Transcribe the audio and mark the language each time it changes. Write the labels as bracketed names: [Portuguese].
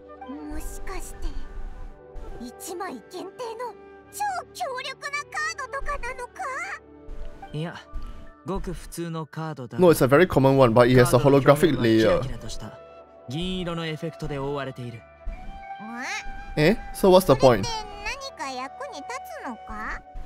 [Japanese] もしかして一枚限定の超強力なカードとかなのか？いや、ごく普通のカードだ。 [English] No, it's a very common one, but it has a holographic layer. [Japanese] キラキラとした銀色のエフェクトで覆われている。 [English] え？So what's the point? [Japanese] それって何か役に立つのか？